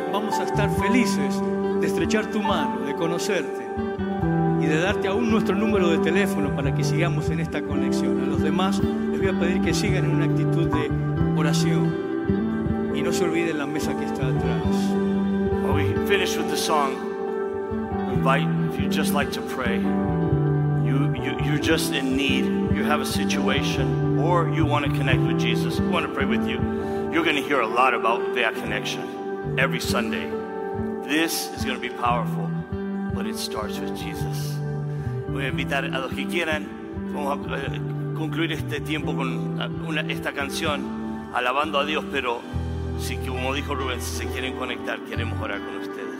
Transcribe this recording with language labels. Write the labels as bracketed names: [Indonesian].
[Spanish] Vamos a estar felices de estrechar tu mano, de conocerte y de darte aún nuestro número de teléfono para que sigamos en esta conexión. A los demás les voy a pedir que sigan en una actitud de oración. Y no se olviden la mesa que está atrás. [English] While we finish with the song, I invite, if you just like to pray, you're just in need, you have a situation, or you want to connect with Jesus, we want to pray with you. You're going to hear a lot about that connection every Sunday. This is going to be powerful, but it starts with Jesus. [Spanish] Voy a invitar a los que quieran, vamos a concluir este tiempo con esta canción, alabando a Dios, pero sí, como dijo Rubén, si se quieren conectar, queremos orar con ustedes.